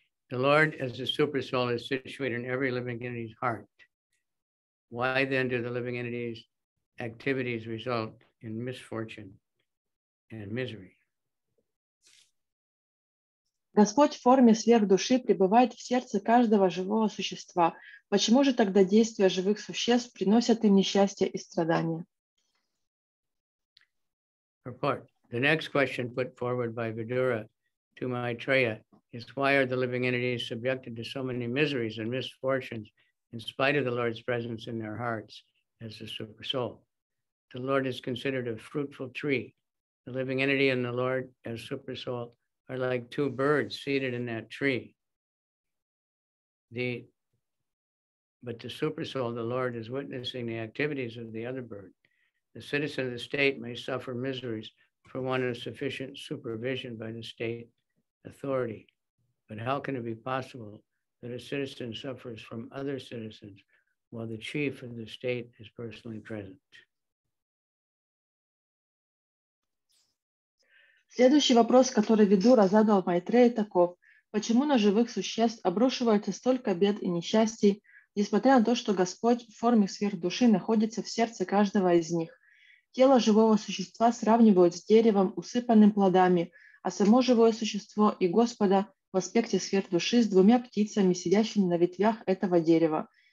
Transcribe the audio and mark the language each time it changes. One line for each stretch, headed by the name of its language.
English: The Lord as the super soul is situated in every living entity's heart. Why then do the living entities activities result in misfortune and misery?
Russian: Господь в форме сверхдуши пребывает в сердце каждого живого существа. Почему же тогда действия живых существ приносят им несчастье и страдания?
English: Report. The next question put forward by Vidura to Maitreya is why are the living entities subjected to so many miseries and misfortunes in spite of the Lord's presence in their hearts as the super soul? The Lord is considered a fruitful tree. The living entity and the Lord as super soul are like two birds seated in that tree. But the super soul, the Lord, is witnessing the activities of the other bird. The citizen of the state may suffer miseries for want of sufficient supervision by the state authority. But how can it be possible that a citizen suffers from other citizens while the chief of the state is personally present?
Russian: Следующий вопрос, который Видура задал Майтрея, таков: почему на живых существ обрушивается столько бед и несчастий, несмотря на то, что Господь в форме сверхдуши находится в сердце каждого из них? Тело живого существа сравнивают с деревом, усыпанным плодами, а само живое существо и Господа в аспекте сверхдуши с двумя птицами, сидящими на ветвях этого дерева.